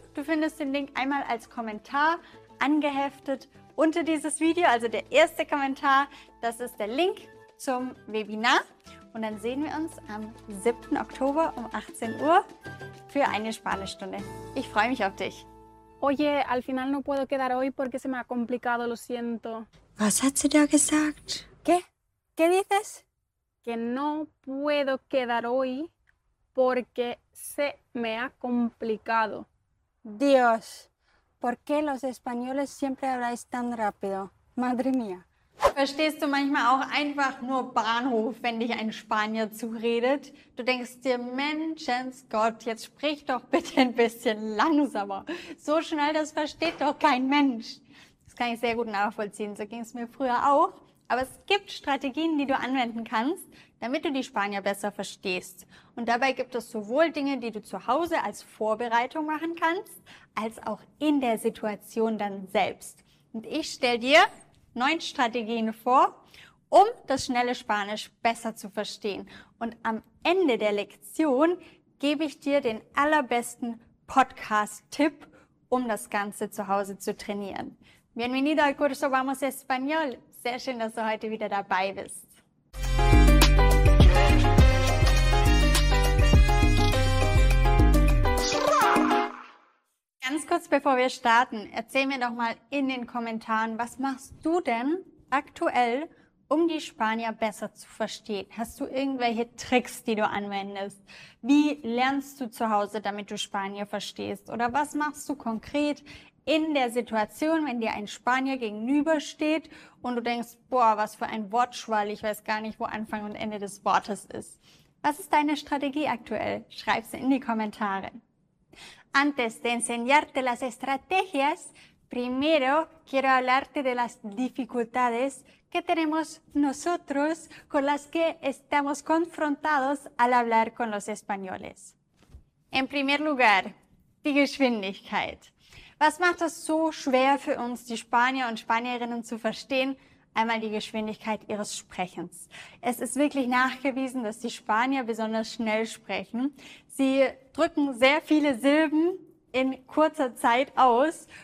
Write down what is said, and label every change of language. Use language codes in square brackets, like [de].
[de] Du findest den Link einmal als Kommentar angeheftet unter dieses Video, also der erste Kommentar, das ist der Link zum Webinar. Und dann sehen wir uns am 7. Oktober um 18 Uhr für eine Spanischstunde. Ich freue mich auf dich. [es] Oye, al final no puedo quedar hoy porque se me ha complicado, lo siento. [de] Was hat sie da gesagt? [es] ¿Qué? ¿Qué dices? Que no puedo quedar hoy porque se me ha complicado. Dios, ¿por qué los españoles siempre habláis tan rápido? Madre mía. [de] Verstehst du manchmal auch einfach nur Bahnhof, wenn dich ein Spanier zuredet? Du denkst dir, Menschensgott, jetzt sprich doch bitte ein bisschen langsamer. So schnell, das versteht doch kein Mensch. Das kann ich sehr gut nachvollziehen, so ging es mir früher auch. Aber es gibt Strategien, die du anwenden kannst, damit du die Spanier besser verstehst. Und dabei gibt es sowohl Dinge, die du zu Hause als Vorbereitung machen kannst, als auch in der Situation dann selbst. Und ich stell dir 9 Strategien vor, um das schnelle Spanisch besser zu verstehen. Und am Ende der Lektion gebe ich dir den allerbesten Podcast-Tipp, um das Ganze zu Hause zu trainieren. [es] Bienvenido al curso Vamos Español. [de] Sehr schön, dass du heute wieder dabei bist. Ganz kurz bevor wir starten, erzähl mir doch mal in den Kommentaren, was machst du denn aktuell, um die Spanier besser zu verstehen? Hast du irgendwelche Tricks, die du anwendest? Wie lernst du zu Hause, damit du Spanier verstehst? Oder was machst du konkret in der Situation, wenn dir ein Spanier gegenübersteht und du denkst, boah, was für ein Wortschwall, ich weiß gar nicht, wo Anfang und Ende des Wortes ist. Was ist deine Strategie aktuell? Schreib sie in die Kommentare. [es] Antes de enseñarte las estrategias, primero quiero hablarte de las dificultades que tenemos nosotros con las que estamos confrontados al hablar con los españoles. En primer lugar, [de] die Geschwindigkeit. Was macht es so schwer für uns, die Spanier und Spanierinnen zu verstehen? Einmal die Geschwindigkeit ihres Sprechens. Es ist wirklich nachgewiesen, dass die Spanier besonders schnell sprechen. Sie drücken sehr viele Silben in kurzer Zeit aus.